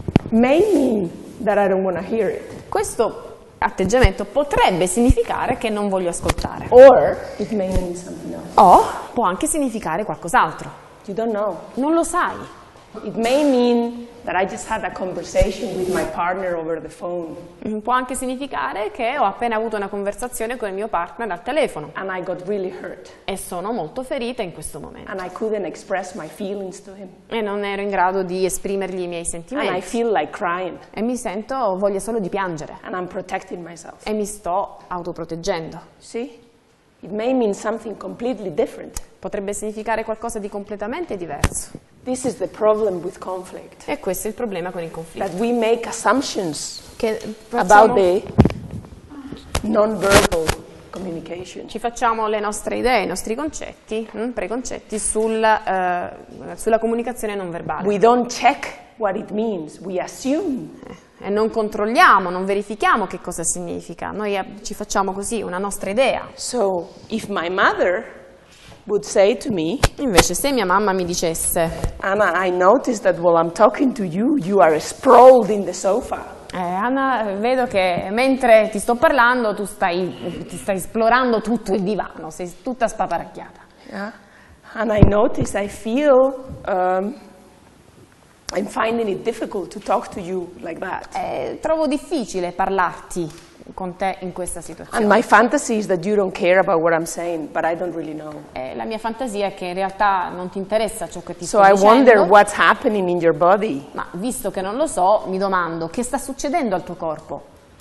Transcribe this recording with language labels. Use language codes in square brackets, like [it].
[en] may mean that I don't want to hear it. [it] Questo atteggiamento potrebbe significare che non voglio ascoltare. [en] Or it may mean something else. [it] O può anche significare qualcos'altro. [en] You don't know. [it] Non lo sai. [en] It may mean that I just had a conversation with my partner over the phone. [it] Può anche significare che ho appena avuto una conversazione con il mio partner al telefono. [en] And I got really hurt. [it] E sono molto ferita in questo momento. [en] And I couldn't express my feelings to him. [it] E non ero in grado di esprimergli i miei sentimenti. [en] And I feel like crying. [it] E mi sento voglia solo di piangere. [en] And I'm protecting myself. [it] E mi sto autoproteggendo. [en] Sì? It may mean something completely different. [it] Potrebbe significare qualcosa di completamente diverso. [en] This is the problem with conflict. [it] E questo è il problema con il conflitto. [en] That we make assumptions [it] che [en] about the non-verbal communication. [it] Ci facciamo le nostre idee, i nostri concetti, preconcetti sulla comunicazione non verbale. [en] We don't check what it means, we assume. [it] E non controlliamo, non verifichiamo che cosa significa. Noi ci facciamo così, una nostra idea. [en] So, if my mother would say to me, [it] invece se mia mamma mi dicesse, [en] Anna, I noticed that while I'm talking to you, you are sprawled in the sofa. [it] Anna, vedo che mentre ti sto parlando tu ti stai esplorando tutto il divano, sei tutta spaparacchiata. [en] Yeah. And I noticed, I feel, I'm finding it difficult to talk to you like that. [it] Trovo difficile parlarti con te in questa situazione. [en] And my fantasy is that you don't care about what I'm saying, but I don't really know. [it] La mia fantasia è che in realtà non ti interessa ciò che ti sto dicendo. [en] So I wonder what's happening in your body. [it] Ma visto che non lo so, mi domando che sta succedendo al tuo corpo.